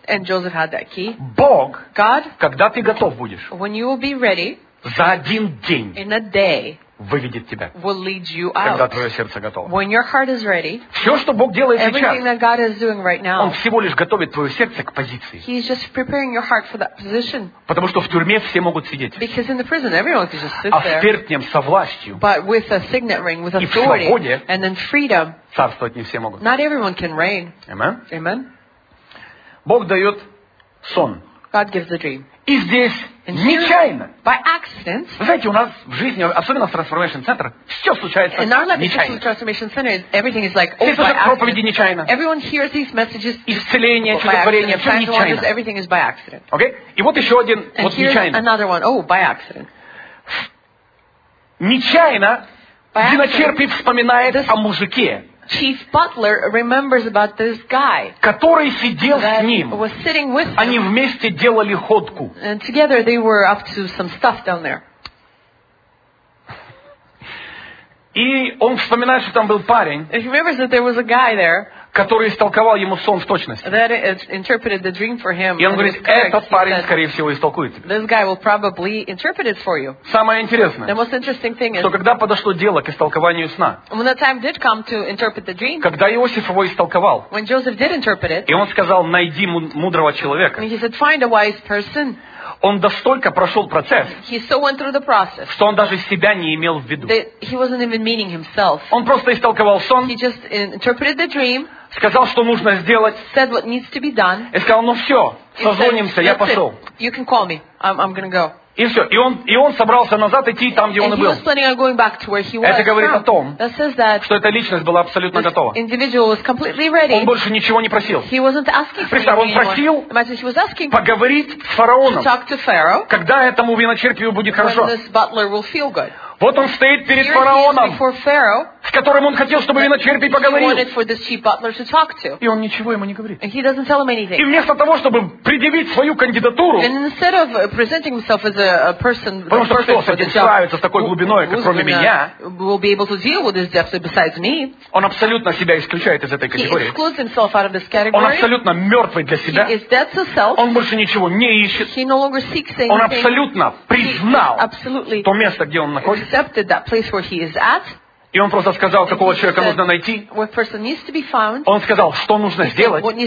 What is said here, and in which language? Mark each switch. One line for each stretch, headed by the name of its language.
English: And Joseph had that key.
Russian: Бог,
English: God,
Russian: когда ты готов будешь,
English: when you will be ready,
Russian: за один день,
English: in a day,
Russian: выведет тебя,
English: will lead you
Russian: когда
English: out.
Russian: Твое сердце готово.
English: When your heart is ready,
Russian: все, что Бог делает
English: everything
Russian: сейчас,
English: that God is doing right now,
Russian: Он всего лишь готовит твое сердце к позиции.
English: He's just preparing your heart for that position.
Russian: Потому что в тюрьме все могут сидеть.
English: Because in the prison, everyone can just sit there.
Russian: А в перстнем со властью,
English: but with a signet ring, with authority,
Russian: и в свободе,
English: and in freedom,
Russian: царствовать не все могут.
English: Not everyone can reign. Amen. Amen.
Russian: Бог дает сон.
English: God gives a dream.
Russian: И здесь нечаянно.
English: By accident.
Russian: Знаете, у нас в жизни, особенно в Transformation Center, все случается нечаянно.
English: In Transformation Center, everything is like,
Russian: все слышат проповеди нечаянно.
English: Everyone hears these messages.
Russian: Исцеление, чудотворение, все нечаянно.
English: Everything is by accident. Okay?
Russian: И вот еще один,
English: and
Russian: вот нечаянно.
English: Another one. Oh, by accident.
Russian: Нечаянно. Виночерпий вспоминает
English: this...
Russian: о мужике.
English: Chief Butler remembers about this guy,
Russian: который сидел с ним.
English: Was sitting with him.
Russian: Они вместе делали ходку.
English: And together they were up to some stuff down there.
Russian: И он вспоминает, что там был парень.
English: And he remembers that there was a guy there,
Russian: который истолковал ему сон в точности.
English: That interpreted the dream for him.
Russian: И он говорит, этот парень, скорее всего, истолкует.
English: This guy will probably interpret it for you.
Russian: Самое интересное.
English: The most interesting thing is,
Russian: что когда подошло дело к истолкованию сна,
English: when the time did come to interpret the dream,
Russian: когда Иосиф его истолковал,
English: when Joseph did interpret it,
Russian: и он сказал, найди мудрого человека,
English: and he said, find a wise person,
Russian: он настолько прошел процесс,
English: he so went through the process,
Russian: что он даже себя не имел в виду.
English: He wasn't even meaning himself.
Russian: Он просто истолковал сон.
English: He just interpreted the dream.
Russian: Сказал, что нужно сделать.
English: Said what needs to be done.
Russian: И сказал, ну все, созвонимся, я пошел.
English: You can call me. I'm gonna go.
Russian: И все. И он собрался назад идти там, где
English: and
Russian: он и был.
English: Was planning on going back to where he was.
Russian: Это говорит
English: from.
Russian: О том,
English: that says that,
Russian: что эта личность была абсолютно готова.
English: Individual was completely ready.
Russian: Он больше ничего не просил.
English: He wasn't asking.
Russian: Представь, он просил поговорить с фараоном.
English: To talk to Pharaoh,
Russian: когда этому виночерпию будет хорошо.
English: When this butler will feel good.
Russian: Вот он стоит перед
English: here
Russian: фараоном.
English: He is before Pharaoh.
Russian: с которым он хотел, чтобы виночерпий поговорил. И он ничего ему не говорит.
English: And he doesn't tell him anything.
Russian: И вместо того, чтобы предъявить свою кандидатуру,
English: and instead of presenting himself as a person,
Russian: потому что кто с этим справится с такой глубиной, как кроме меня,
English: will be able to deal with this depth besides me,
Russian: он абсолютно себя исключает из этой категории.
English: He excludes himself out of this category.
Russian: Он абсолютно мертвый для себя.
English: He is dead to self.
Russian: Он больше ничего не ищет.
English: He no longer seeks anything.
Russian: Он абсолютно признал
English: absolutely
Russian: то место, где он находится.
English: Accepted that place where he is at.
Russian: И он просто сказал, какого человека нужно найти. Он сказал, что нужно сделать.